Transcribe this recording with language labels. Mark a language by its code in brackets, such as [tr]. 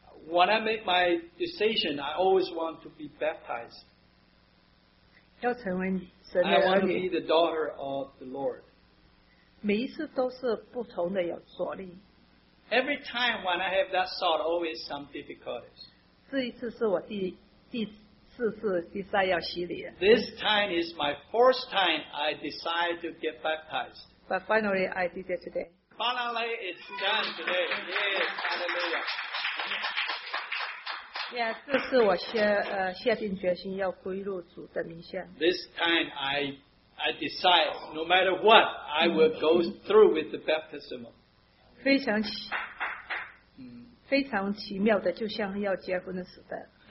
[en] When I make my decision, I always want to be baptized. [zh] 要成为神的儿女。 [en] I want to be the daughter of the Lord. [zh] 每一次都是不同的有所力。 [en] Every time when I have that thought, always some difficulties. [zh] 这一次是我第四次要洗礼。 [en] This time is my first time I decide to get baptized. But finally, I did it today. Finally, it's done today. Yes, hallelujah. [zh] Yeah, 这是我下定决心要归入主的名下。 [en] This time I decide, no matter what, I will go through with the baptism. [zh] 非常奇妙的，就像要结婚的时代。